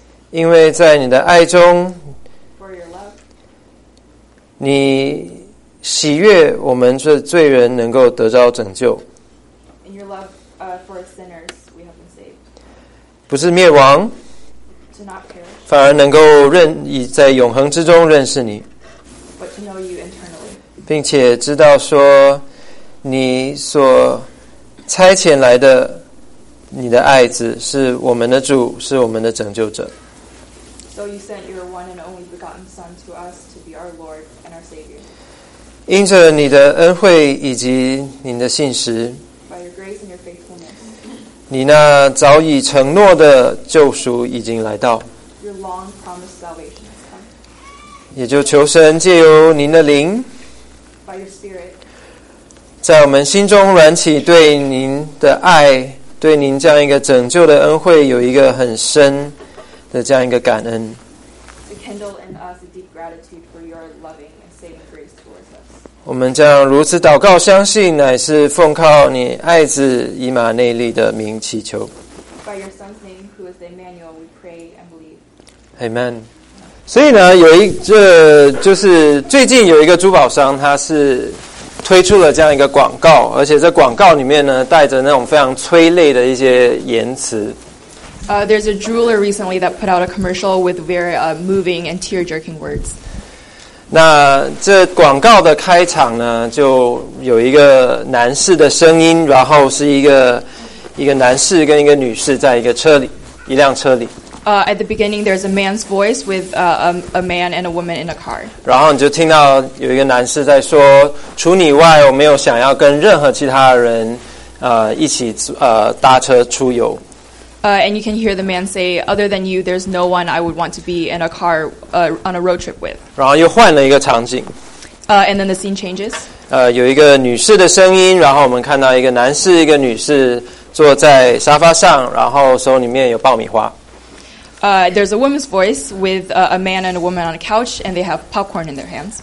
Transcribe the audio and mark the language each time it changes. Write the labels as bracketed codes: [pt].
[zh] 因为在你的爱中，你喜悦我们这罪人能够得着拯救。 [en] In your love, for sinners, we have been saved. [zh] 不是灭亡， [en] to not perish, [zh] 反而能够在永恒之中认识你， [en] but to know you internally. [zh] 并且知道说你所差遣来的你的爱子是我们的主，是我们的拯救者。 [en] So you sent your one and only begotten Son to us to be our Lord and our Savior. [zh] 因着你的恩惠以及你的信实， [en] By your grace and your faithfulness, [zh] 你那早已承诺的救赎已经来到。 [en] Your long promised salvation has come. [zh] 也就求神借由您的灵， [en] By your Spirit, [zh] 在我们心中燃起对您的爱，对您这样一个拯救的恩惠有一个很深的这样一个感恩。 [en] To kindle in us a deep gratitude for your loving and saving grace towards us. [zh] 我们这样如此祷告，相信乃是奉靠你爱子以马内利的名祈求。 [en] By your son's name, who is Emmanuel, we pray and believe. Amen. [zh] 所以呢，就是最近有一个珠宝商，他是推出了这样一个广告，而且这广告里面呢，带着那种非常催泪的一些言辞。 [en] There's a jeweler recently that put out a commercial with very moving and tear-jerking words. [zh] 那这广告的开场呢，就有一个男士的声音，然后是一个男士跟一个女士在一辆车里。 [en] At the beginning, there's a man's voice with a man and a woman in a car. [zh] 然后你就听到有一个男士在说，除你外，我没有想要跟任何其他人一起搭车出游。 [en] And you can hear the man say, other than you, there's no one I would want to be in a car on a road trip with. [zh] 然后又换了一个场景。 [en] And then the scene changes. [zh] 有一个女士的声音，然后我们看到一个男士，一个女士坐在沙发上，然后手里面有爆米花。 [en] There's a woman's voice with a man and a woman on a couch, and they have popcorn in their hands.